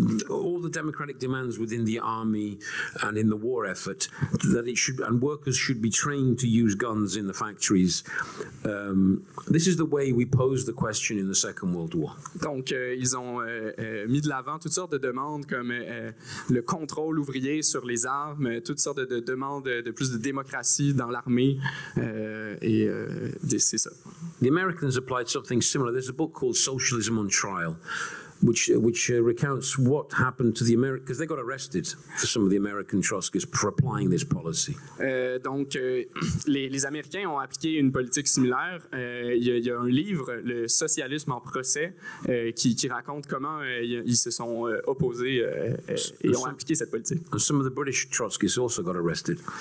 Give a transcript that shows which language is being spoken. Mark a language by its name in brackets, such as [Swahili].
[English] All the democratic demands within the army and in the war effort that it should, and workers should be trained to use guns in the factories. This is the way we pose the question in the Second World War. [French] Donc, ils ont mis de l'avant toutes sortes de demandes comme le contrôle ouvrier sur les armes, toutes sortes de demandes de plus de démocratie dans l'armée, et c'est ça. [English] The Americans applied something similar. There's a book called Socialism on Trial, which recounts what happened to the Americans, because they got arrested for some of the American Trotskyists for applying this policy. [French] Donc, les Américains ont appliqué une politique similaire. Il y a un livre, Le socialisme en procès, qui raconte comment ils se sont opposés et ont appliqué cette politique. [English] And some of the British Trotskyists also got arrested.